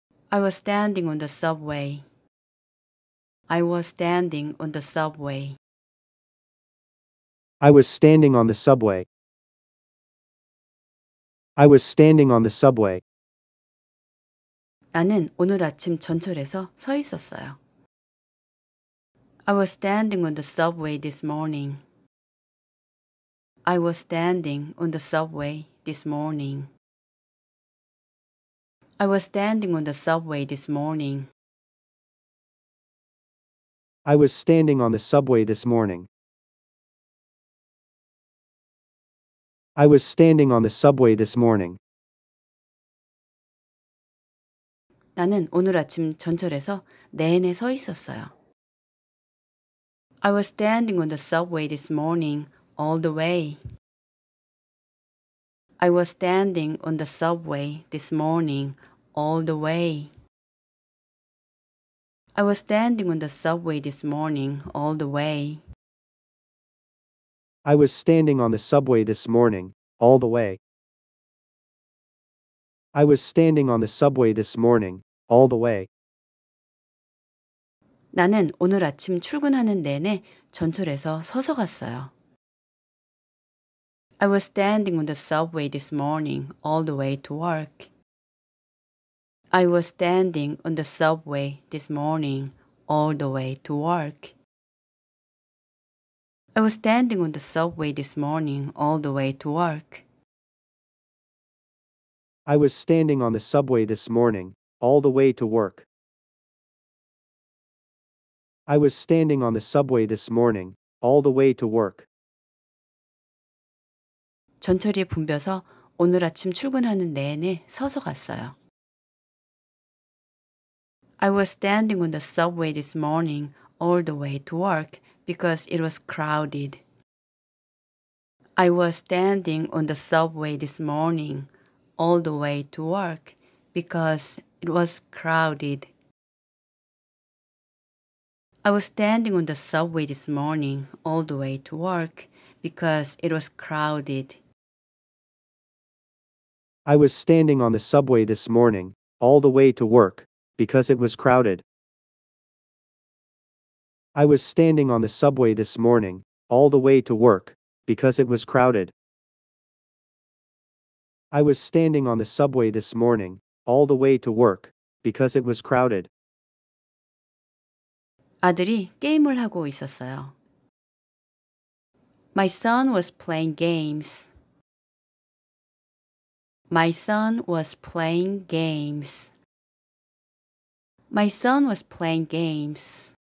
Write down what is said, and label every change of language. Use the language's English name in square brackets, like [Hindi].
[English] I was standing on the subway. I was standing on the subway. I was standing on the subway. I was standing on the subway. [Korean] 나는 오늘 아침 전철에서 서 있었어요. [English] I was standing on the subway this morning. I was standing on the subway this morning. I was standing on the subway this morning. I was standing on the subway this morning. I was standing on the subway this morning. [Korean] 나는 오늘 아침 전철에서 내내 서 있었어요. [English] I was standing on the subway this morning all the way. I was standing on the subway this morning all the way. I was standing on the subway this morning all the way. I was standing on the subway this morning all the way. I was standing on the subway this morning all the way. [Korean] 나는 오늘 아침 출근하는 내내 전철에서 서서 갔어요. [English] I was standing on the subway this morning all the way to work. I was standing on the subway this morning all the way to work. I was standing on the subway this morning all the way to work. I was standing on the subway this morning all the way to work. I was standing on the subway this morning all the way to work. [Korean] 전철이 붐벼서 오늘 아침 출근하는 내내 서서 갔어요. [English] I was standing on the subway this morning all the way to work because it was crowded. I was standing on the subway this morning all the way to work because it was crowded. I was standing on the subway this morning all the way to work because it was crowded. I was standing on the subway this morning all the way to work because it was crowded. I was standing on the subway this morning all the way to work because it was crowded. I was standing on the subway this morning all the way to work because it was crowded. [Korean] 아들이 게임을 하고 있었어요. [English] My son was playing games. My son was playing games. My son was playing games.